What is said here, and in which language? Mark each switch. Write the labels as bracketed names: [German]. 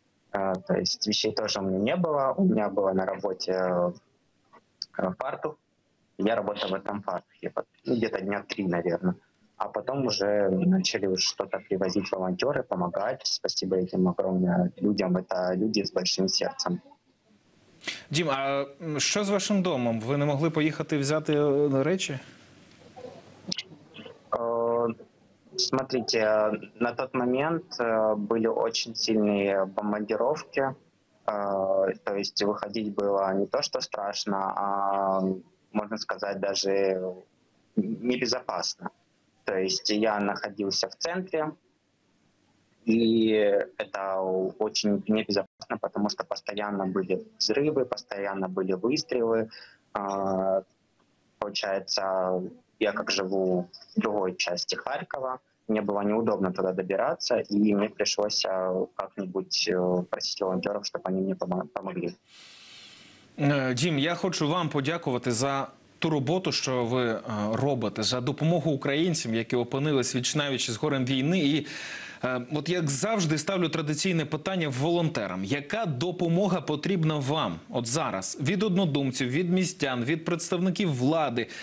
[Russian] То есть вещей тоже у меня не было, у меня было на работе фартух, я работал в этом фартухе где-то дня 3, наверное. А потом уже начали что-то привозить волонтеры, помогать, спасибо этим огромным людям, это люди с большим сердцем. [Ukrainian] Дім, а що з вашим домом? Ви не могли поїхати взяти речі? [Russian] Смотрите, на тот момент были очень сильные бомбардировки, то есть выходить было не то что страшно, а можно сказать даже небезопасно. То есть я находился в центре, и это очень небезопасно, потому что постоянно были взрывы, постоянно были выстрелы. Получается, я как живу в другой части Харькова, мне было неудобно туда добираться, и мне пришлось как-нибудь просить волонтеров, чтобы они мне помогли. [Ukrainian] Дім, я хочу вам подякувати за ту роботу, що ви робите, за допомогу українцям, які опинились віч-на-віч з горем війни. І от як завжди ставлю традиційне питання волонтерам. Яка допомога потрібна вам от зараз? Від однодумців, від містян, від представників влади?